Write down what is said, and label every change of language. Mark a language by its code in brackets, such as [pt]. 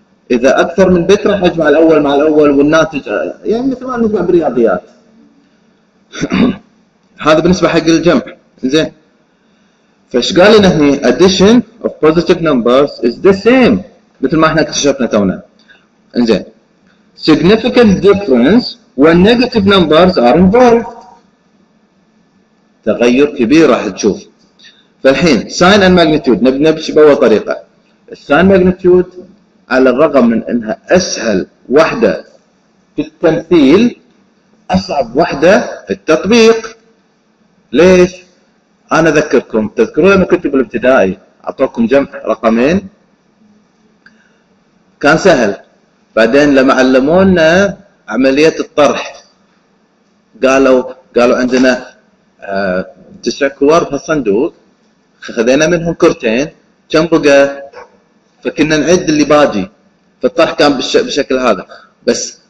[ar] إذا أكثر من بت راح أجمع الأول مع الأول والناتج يعني مثل ما نجمع بالرياضيات. هذا بالنسبة حق الجمع. زين فايش قال لنا هني؟ [en] addition of positive numbers is the same [ar] مثل ما احنا اكتشفنا تونا. [en] زين significant difference when negative numbers are involved، [ar] تغير كبير راح تشوف. فالحين sign and magnitude نبشي بأول طريقة. sign magnitude على الرغم من انها اسهل وحده في التمثيل اصعب وحده في التطبيق. ليش؟ انا اذكركم تذكرون لما كنت بالابتدائي اعطوكم جمع رقمين كان سهل، بعدين لما علمونا عمليه الطرح قالوا عندنا 9 كوار في الصندوق خذينا منهم كرتين كم بقى؟ فكنا نعد اللي باجي. فالطرح كان بالشكل هذا، بس